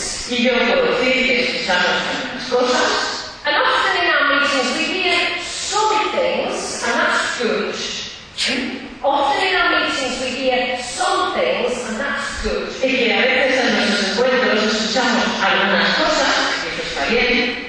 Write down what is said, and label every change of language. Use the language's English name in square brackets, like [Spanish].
[Spanish] y yo puedo decir que escuchamos algunas cosas. [English] And often in our meetings we hear some things, and that's good. Often in our meetings we hear some things, and that's good. [Spanish] Y que a veces en nuestros encuentros escuchamos algunas cosas, que eso está bien.